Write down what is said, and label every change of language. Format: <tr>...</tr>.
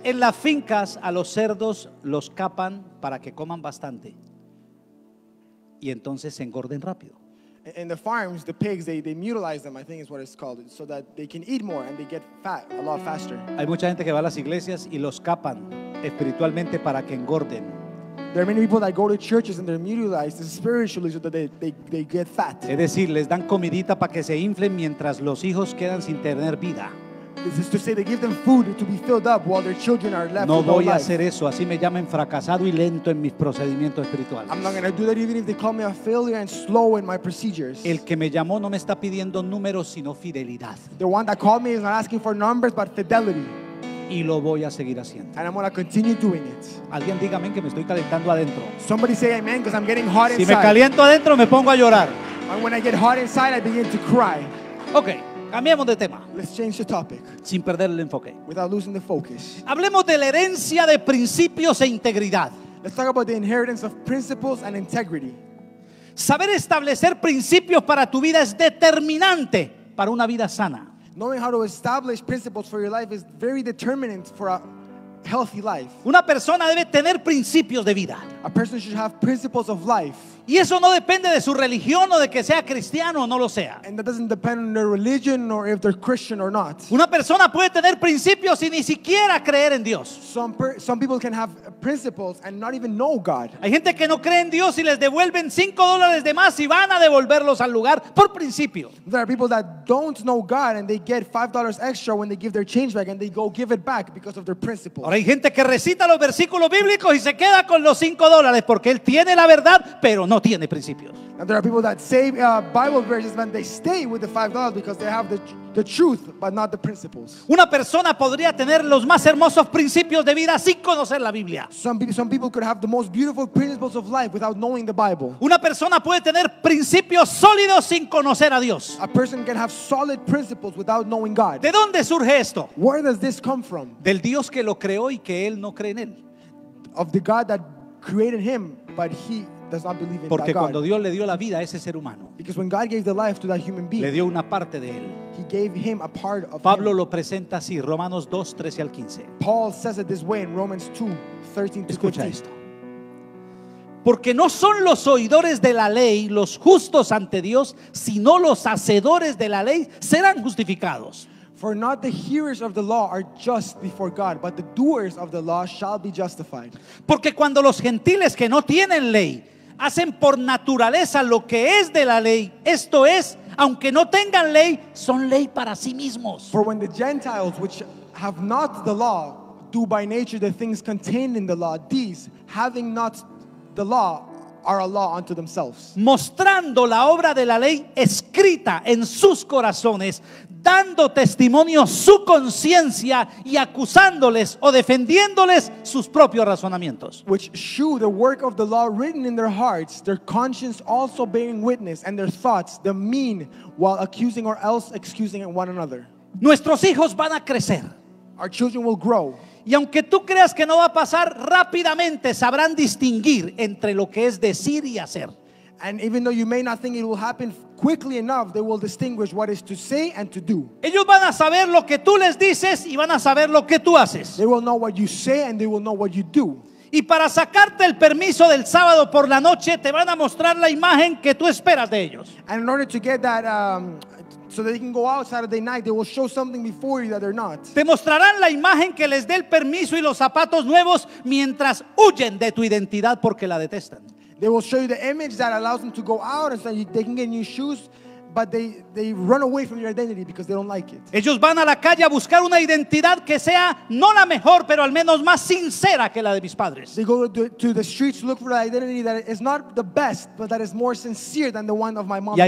<es>En las fincas a los cerdos los capan para que coman bastante y entonces se engorden rápido.</es> <en>In the farms, the pigs, they mutilize them, I think is what it's called, so that they can eat more and they get fat a lot faster.</en> <es>Hay mucha gente que va a las iglesias y los capan espiritualmente para que engorden.</es> <en>There are many people that go to churches and they're mutilized spiritually so that they get fat.</en> <es>Es decir, les dan comidita para que se inflen mientras los hijos quedan sin tener vida.</es> <en>This is to say they give them food to be filled up while their children are left.</en> <es>No voy a hacer eso, así me llamen fracasado y lento en mis procedimientos espirituales.</es> <en>I'm not going to do that even if they call me a failure and slow in my procedures.</en> <es>El que me llamó no me está pidiendo números sino fidelidad.</es> <en>The one that called me is not asking for numbers but fidelity.</en> <es>Y lo voy a seguir haciendo.</es> <en>And I'm going to continue doing it.</en> <es>Alguien dígame que me estoy calentando adentro.</es> <en>Somebody say amen because I'm getting hot inside.</en> <es>Si me caliento adentro me pongo a llorar.</es> <en>And when I get hot inside I begin to cry.</en> <es>Okay. Cambiemos de tema.</es> <en>Let's change the topic.</en> <es>Sin perder el enfoque.</es> <en>Without losing the focus.</en> <es>Hablemos de la herencia de principios e integridad.</es> <en>Let's talk about the inheritance of principles and integrity.</en> <es>Saber establecer principios para tu vida es determinante para una vida sana.</es> <en>Knowing how to establish principles for your life is very determinant for a healthy life.</en> <es>Una persona debe tener principios de vida.</es> <en>A person should have principles of life.</en> <es>Y eso no depende de su religión o de que sea cristiano o no lo sea.</es> <en>And that doesn't depend on their religion or if they're Christian or not.</en> <es>Una persona puede tener principios y ni siquiera creer en Dios.</es> <en>Some people can have principles and not even know God.</en> <es>Hay gente que no cree en Dios y les devuelven $5 de más y van a devolverlos al lugar por principio.</es> <en>There are people that don't know God and they get $5 extra when they give their change back and they go give it back because of their principles.</en> <es>Ahora hay gente que recita los versículos bíblicos y se queda con los $5 porque él tiene la verdad, pero no tiene principios.</es> <en>And there are people that say Bible verses and they stay with the $5 because they have the truth but not the principles.</en> <es>Una persona podría tener los más hermosos principios de vida sin conocer la Biblia.</es> <en>Some people could have the most beautiful principles of life without knowing the Bible.</en> <es>Una persona puede tener principios sólidos sin conocer a Dios.</es> <en>A person can have solid principles without knowing God.</en> <es>¿De dónde surge esto?</es> <en>Where does this come from?</en> <es>Del Dios que lo creó y que él no cree en él.</es> <en>Of the God that created him but he does not believe in God.</en> <es>Porque cuando Dios le dio la vida a ese ser humano,</es> <en>because when God gave the life to that human being,</en> <es>le dio una parte de él.</es> <en>He gave him a part of</en> <es>Pablo</es> <en>him.</en> <es>Lo presenta así, Romanos 2, 13 al 15.</es> <en>Paul says it this way in Romans 2, 13 to 15.</en> <es>Escucha esto. Porque no son los oidores de la ley los justos ante Dios, sino los hacedores de la ley serán justificados.</es> <en>For not the hearers of the law are just before God, but the doers of the law shall be justified.</en> <es>Porque cuando los gentiles que no tienen ley hacen por naturaleza lo que es de la ley, esto es, aunque no tengan ley, son ley para sí mismos.</es> <en>For when the Gentiles which have not the law do by nature the things contained in the law, these, having not the law, are a law unto themselves.</en> <es>Mostrando la obra de la ley escrita en sus corazones, dando testimonio su conciencia y acusándoles o defendiéndoles sus propios razonamientos.</es> <en>Which shew the work of the law written in their hearts, their conscience also bearing witness, and their thoughts, the mean, while accusing or else excusing one another.</en> <es>Nuestros hijos van a crecer.</es> <en>Our children will grow.</en> <es>Y aunque tú creas que no va a pasar, rápidamente sabrán distinguir entre lo que es decir y hacer.</es> <en>And even though you may not think it will happen quickly enough, they will distinguish what is to say and to do.</en> <es>Ellos van a saber lo que tú les dices y van a saber lo que tú haces.</es> <en>They will know what you say and they will know what you do.</en> <es>Y para sacarte el permiso del sábado por la noche, te van a mostrar la imagen que tú esperas de ellos.</es> <en>And in order to get that so that they can go out Saturday night, they will show something before you that they're not.</en> <es>Te mostrarán la imagen que les dé el permiso y los zapatos nuevos mientras huyen de tu identidad porque la detestan.</es> <en>They will show you the image that allows them to go out and so they can get new shoes, but they run away from your identity because they don't like it.</en> <es>Ellos van a la calle a buscar una identidad que sea no la mejor, pero al menos más sincera que la de mis padres.</es> <en>They go to the streets to look for an identity that is not the best, but that is more sincere than the one of my mom and dad.</en>